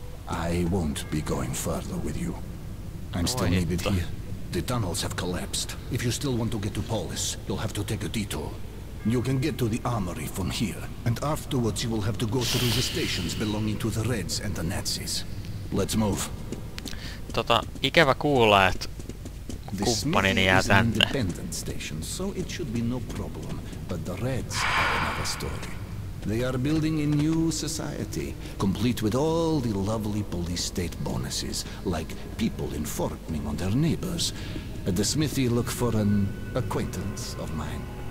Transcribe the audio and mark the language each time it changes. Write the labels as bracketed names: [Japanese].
[English] I won't be going further with you. I'm still needed here. The tunnels have collapsed. If you still want to get to Polis, you'll have to take a detour. You can get to the armory from here, and afterwards you will have to go through the stations belonging to the Reds and the Nazis. Let's move. [Finnish] Tota, ikävä kuulla, että kumppanini jää tänne. [English] Station, so it should be no problem, but the Reds are another story. They are building a new society, complete with all the lovely police state bonuses, like people informing on their neighbors. At the smithy, look for an acquaintance of mine.